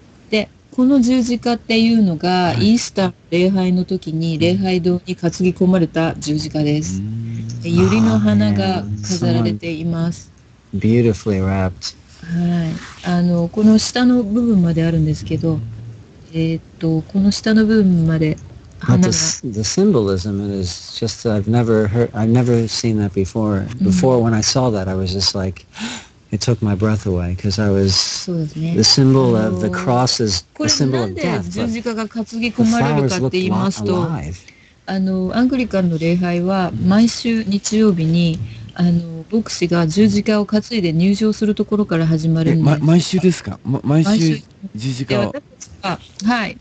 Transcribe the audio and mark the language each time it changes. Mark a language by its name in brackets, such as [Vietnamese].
[Japanese] で、この十字架っていうのが、イースター礼拝の時に礼拝堂に担ぎ込まれた十字架です。で、ユリの花が飾られています。 [English] Beautifully wrapped. [Japanese] はい。この下の部分まであるんですけど、この下の部分まで花が。 [English] The symbolism is just, I've never seen that before. Before, when I saw that, I was just like... It took my breath away because I was、ね、 the symbol of the cross is the symbol of death. [Japanese] これなんで十字架が担ぎ込まれるかって言いますと、アングリカンの礼拝は毎週日曜日に牧師が十字架を担いで入場するところから始まるんです。毎週ですか？毎週十字架を。はい。